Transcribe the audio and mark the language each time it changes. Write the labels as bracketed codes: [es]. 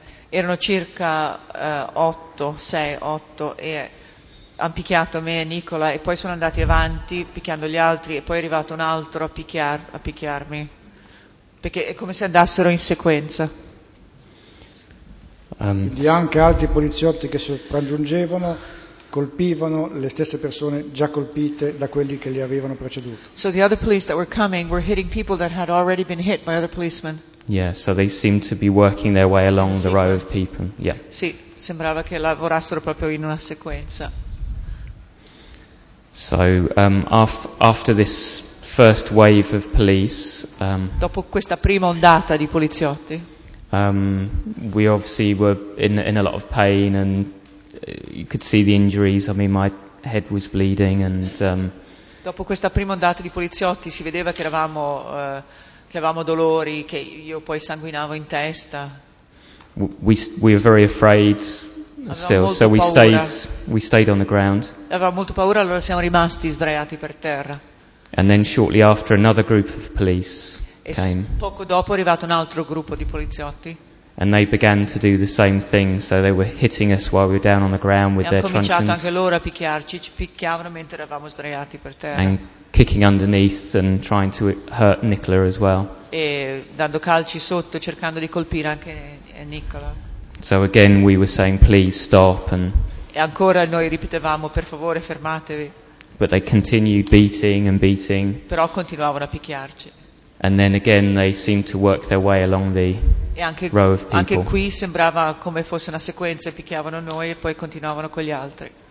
[it] Erano circa 8 e hanno picchiato me e Nicola e poi sono andati avanti picchiando gli altri e poi è arrivato un altro a picchiarmi, perché è come se andassero in sequenza. di anche altri poliziotti che sopraggiungevano colpivano le stesse persone già colpite da quelli che li avevano preceduto. [en] So the other police that were coming were hitting people that had already been hit by other policemen. Yeah, so they seemed to be working their way along the row of people. Yeah. [it] Sì, sembrava che lavorassero proprio in una sequenza. [en] So after this first wave of police, [it] dopo questa prima ondata di poliziotti, [en] we obviously were in a lot of pain, and you could see the injuries. I mean, my head was bleeding, and [it] dopo questa prima ondata di poliziotti si vedeva che eravamo avevamo dolori, che io poi sanguinavo in testa. [en] We were very afraid still, so we stayed on the ground. [it] Avevamo molto paura, allora siamo rimasti sdraiati per terra. [en] And then shortly after, another group of police came. [it] Poco dopo è arrivato un altro gruppo di poliziotti. [en] And they began to do the same thing, so they were hitting us while we were down on the ground with their truncheons. [it] E hanno cominciato anche loro a picchiarci, ci picchiavano mentre eravamo sdraiati per terra. [en] And kicking underneath and trying to hurt Nicola as well. [it] E dando calci sotto, cercando di colpire anche Nicola. [en] So again, we were saying, "Please stop." And [it] e ancora noi ripetevamo, "Per favore, fermatevi." [en] But they continued beating and beating. [it] Però continuavano a picchiarci. [en] And then again they seemed to work their way along the [it] e anche, [en] row of people. [it] Anche qui sembrava come fosse una sequenza, picchiavano noi e poi continuavano con gli altri.